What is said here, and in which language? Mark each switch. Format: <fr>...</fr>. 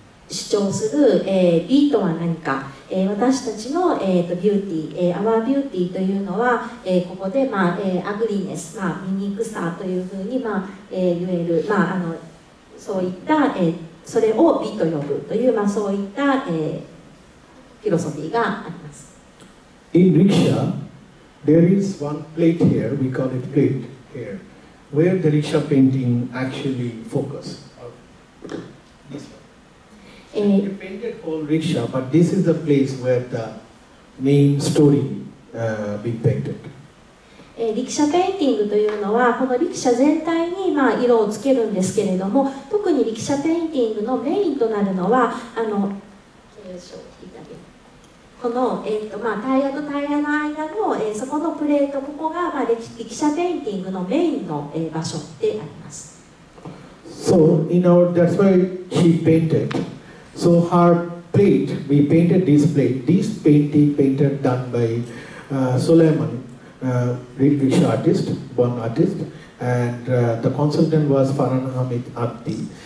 <ja>主張する、美とは何か、私たちの、ビューティー、アワービューティーというのは、ここで、アグリネス、醜さというふうに、言える、そういった、それを美と呼ぶという、そういった、フィロソフィーがあります。</ja> <en>In Riksha, there is one plate here, we call it plate here, where the Riksha painting actually focus this one. They painted all Riksha, but this is the place where the main story being painted.</en> <ja>Riksha painting というのは、この Riksha 全体に色をつけるんですけれども、特に Riksha painting のメインとなるのは、このタイヤとタイヤの間の、そこのプレート、ここが Riksha painting のメインの、場所であります。</ja> <en>So, in our, that's why she painted. So her plate, we painted this plate. This painting painted done by Suleiman, Riksha artist, one artist. And the consultant was Farhana Hamid Abdi.</en>